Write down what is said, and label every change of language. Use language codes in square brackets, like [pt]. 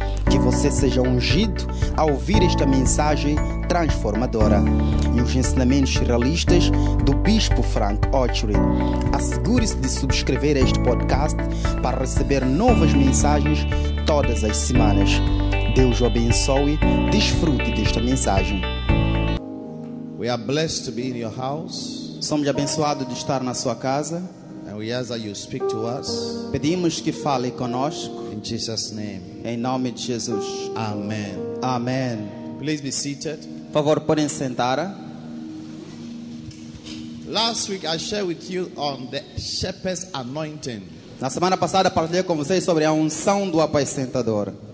[pt] Que você seja ungido a ouvir esta mensagem transformadora e os ensinamentos realistas do Bispo Frank Ochori. Assegure-se de subscrever este podcast para receber novas mensagens todas as semanas. Deus o abençoe. Desfrute desta mensagem. [en] We are blessed to be in your house. [pt] Somos abençoados de estar na sua casa. [en] And we ask that you speak to us. [pt] Pedimos que fale conosco. [en] In Jesus' name. [pt] Em nome de Jesus. [en] Amen. [pt] Amen. [en] Please be seated. [pt] Por favor, podem sentar. [en] Last week I shared with you on the shepherd's anointing. [pt] Na semana passada partilhei com vocês sobre a unção do apacentador.